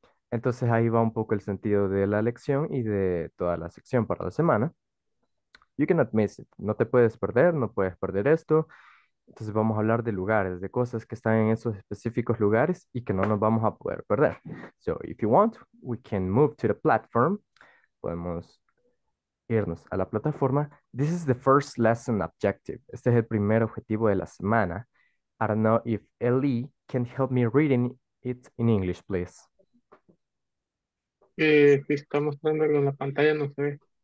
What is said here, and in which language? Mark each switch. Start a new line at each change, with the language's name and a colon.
Spanish: Entonces ahí va un poco el sentido de la lección y de toda la sección para la semana.
English: You cannot miss it.
Spanish: No te puedes perder, no puedes perder esto. Entonces vamos a hablar de lugares, de cosas que están en esos específicos lugares y que no nos vamos a poder perder.
English: So, if you want, we can move to the platform.
Spanish: Podemos irnos a la plataforma.
English: This is the first lesson objective.
Spanish: Este es el primer objetivo de la semana.
English: I don't know if Ellie can help me reading it in English, please.
Spanish: Si está mostrándolo en la pantalla, no se ve.